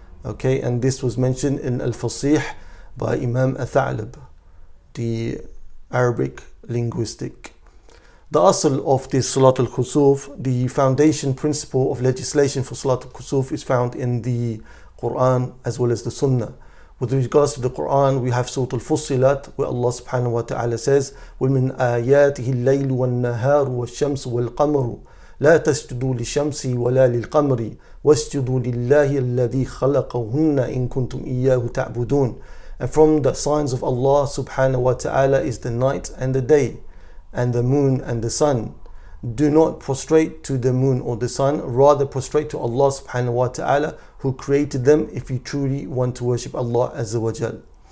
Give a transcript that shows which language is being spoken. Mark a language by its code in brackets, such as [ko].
[en] Okay, and this was mentioned in Al-Fasih by Imam Al-Tha'lib, the Arabic linguistic. The asl of this Salat al-Khusuf, the foundation principle of legislation for Salat al-Khusuf, is found in the Quran as well as the Sunnah. With regards to the Quran, we have Surah al-Fussilat, where Allah subhanahu wa ta'ala says, [ar] وَمِنْ آيَاتِهِ اللَّيْلُ وَالنَّهَارُ وَالشَّمْسُ وَالْقَمَرُ لَا تَسْجُدُوا لِشَمْسِ وَلَا لِلْقَمْرِ وَاسْجُدُوا لِلَّهِ الَّذِي خَلَقَهُنَّ إِن كُنْتُمْ إِيَّاهُ تَعْبُدُونَ. [en] And from the signs of Allah subhanahu wa ta'ala is the night and the day, and the moon and the sun. Do not prostrate to the moon or the sun, rather prostrate to Allah subhanahu wa ta'ala, who created them, if you truly want to worship Allah azza wa jal.